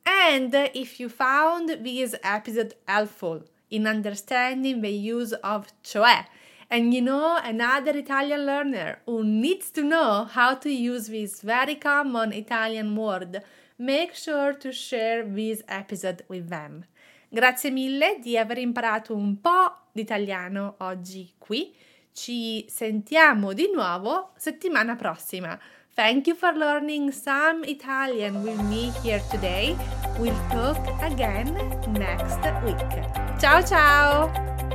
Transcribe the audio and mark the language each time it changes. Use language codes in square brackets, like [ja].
[en] And if you found this episode helpful in understanding the use of cioè, And you know, another Italian learner who needs to know how to use this very common Italian word, make sure to share this episode with them. [it] Grazie mille di aver imparato un po' d'italiano oggi qui. Ci sentiamo di nuovo settimana prossima. [en] Thank you for learning some Italian with me here today. We'll talk again next week. [it] Ciao ciao!